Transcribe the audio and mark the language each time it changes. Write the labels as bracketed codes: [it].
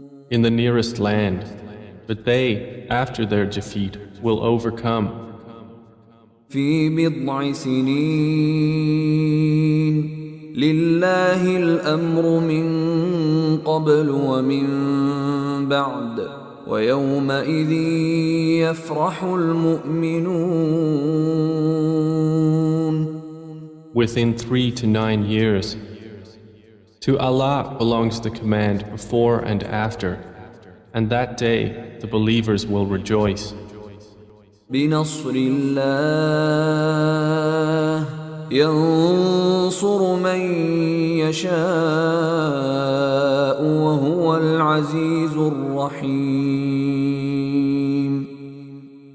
[en] In the nearest land, but they, after their defeat, will overcome. [ar] في بضع سنين لله الأمر من قبل ومن بعد وَيَوْمَئِذِ يَفْرَحُ الْمُؤْمِنُونَ. [en] Within 3 to 9 years, to Allah belongs the command before and after, and that day the believers will rejoice. [ar] بِنَصْرِ اللَّهِ يَنْصُرُ مَنْ يَشَاءُ وَهُوَ الْعَزِيزُ الرَّحِيمُ.